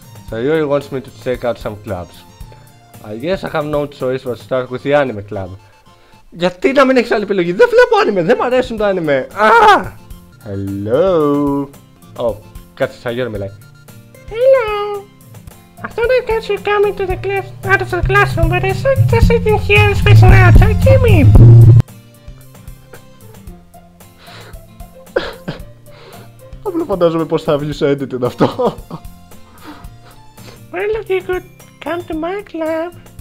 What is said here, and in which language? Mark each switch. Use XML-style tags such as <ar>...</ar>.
<en>Sayori wants me to check out some clubs. I guess I have no choice but to start with the anime club.</en> <el>Γιατί να μην έχεις άλλη επιλογή? Δεν βλέπω anime, δεν μ' αρέσουν το anime.</el> <en>Hello.</en> <el>Oh, κάτσε, Sayori μιλάει.</el> <en>Hello. I thought I guess you're coming to the class, out of the classroom, but I saw you just sitting here and spacing out, so I came in.</en> <el>Απλά φαντάζομαι πως θα βγει σε editing αυτό.</el> <en>Well, if you could come to my club.</en>